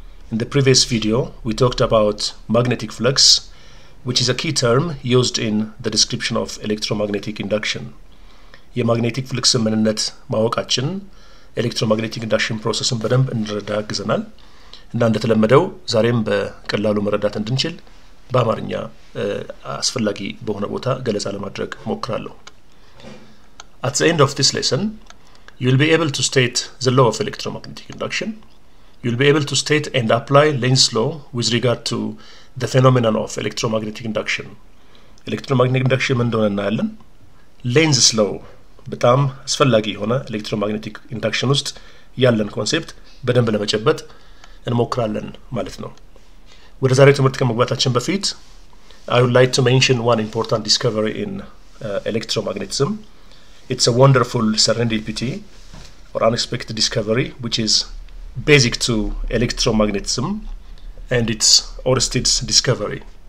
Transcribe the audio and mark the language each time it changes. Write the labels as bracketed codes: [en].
[en] In the previous video, we talked about magnetic flux, which is a key term used in the description of electromagnetic induction. [am] የማግኔቲክ ፍሉክስ ምንነት ማወቃችን ኤሌክትሮማግኔቲክ ኢንዳክሽን ፕሮሰስን በደንብ እንረዳ ግዘናል እና እንደተለመደው ዛሬም በቀላሉ መረዳት እንድንችል በአማርኛ አስፈላጊ በሆነ ቦታ ገለጻ ለማድረግ ሞክራለሁ። [en] At the end of this lesson, you'll be able to state the law of electromagnetic induction. You'll be able to state and apply Lenz's law with regard to the phenomenon of electromagnetic induction. [am] Electromagnetic induction ምን እንደሆነ እናያለን። Lenz's law በጣም አስፈላጊ ሆነ electromagnetic induction ውስጥ ያለን concept በደንብ ለመጨበጥ እንሞክራለን ማለት ነው። ወደ ዛሬው ትምህርት ከመግባታችን በፊት [en] I would like to mention one important discovery in electromagnetism. It's a wonderful serendipity or unexpected discovery which is basic to electromagnetism and its Oersted's discovery.